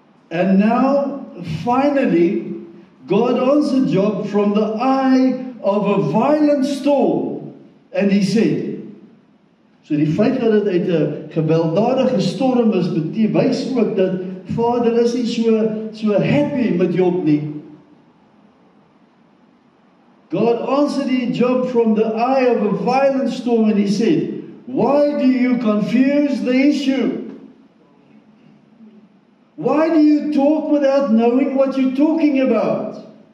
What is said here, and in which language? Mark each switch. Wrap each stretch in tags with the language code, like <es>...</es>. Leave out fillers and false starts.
<en>And now, finally, God answered Job from the eye of a violent storm. And he said,</en> <af>so die feit dat dit uit 'n gewelddadige storm is, wys ook dat Vader is nie so happy met Job nie.</af> <en>God answered his Job from the eye of a violent storm and he said, why do you confuse the issue? Why do you talk without knowing what you're talking about?</en>